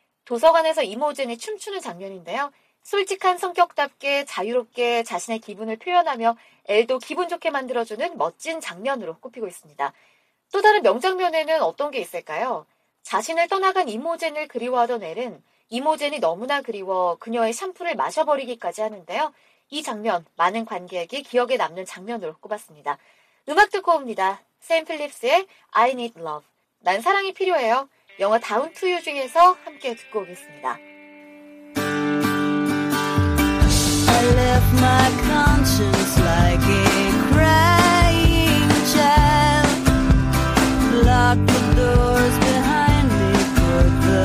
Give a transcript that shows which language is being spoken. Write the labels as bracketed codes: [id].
[ko] 도서관에서 이모젠이 춤추는 장면인데요. 솔직한 성격답게 자유롭게 자신의 기분을 표현하며 엘도 기분 좋게 만들어주는 멋진 장면으로 꼽히고 있습니다. 또 다른 명장면에는 어떤 게 있을까요? 자신을 떠나간 이모젠을 그리워하던 엘은 이모젠이 너무나 그리워 그녀의 샴푸를 마셔버리기까지 하는데요. 이 장면 많은 관객이 기억에 남는 장면으로 꼽았습니다. 음악 듣고 옵니다. 샘 필립스의 I Need Love. 난 사랑이 필요해요. 영화 다운 투 유 중에서 함께 듣고 오겠습니다. [en] I left my conscience like a crying child. Lock the doors behind me for